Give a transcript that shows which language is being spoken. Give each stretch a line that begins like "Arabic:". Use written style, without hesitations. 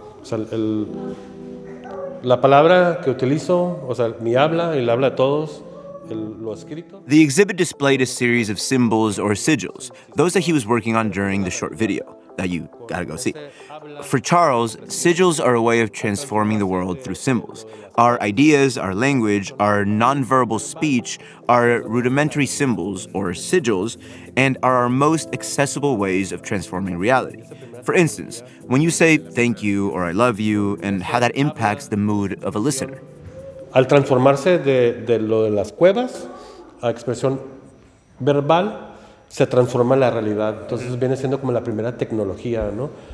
Spanish: O sea, la palabra que utilizo, o sea, mi habla y la habla de todos.
English: The exhibit displayed a series of symbols or sigils, those that he was working on during the short video that you gotta go see. For Charles, sigils are a way of transforming the world through symbols. Our ideas, our language, our nonverbal speech are rudimentary symbols or sigils and are our most accessible ways of transforming reality. For instance, when you say thank you or I love you and how that impacts the mood of a listener.
Spanish: Al transformarse de lo de las cuevas a expresión verbal, se transforma la realidad. Entonces viene siendo como la primera tecnología, ¿no?